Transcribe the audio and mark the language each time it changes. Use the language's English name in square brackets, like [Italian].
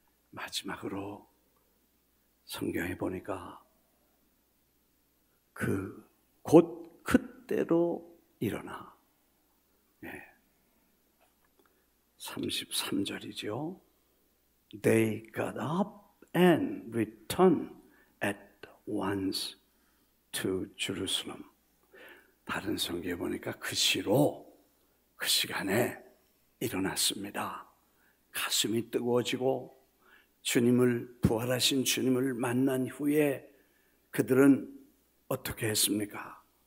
[Korean] 마지막으로 성경에 보니까 그 곧 그때로 일어나, 네. 33절이죠. [English] They got up and returned at once to Jerusalem. [Korean] 다른 성경에 보니까 그 시로 그 시간에 일어났습니다. 가슴이 뜨거워지고 주님을 부활하신 주님을 만난 후에 그들은 어떻게 했습니까?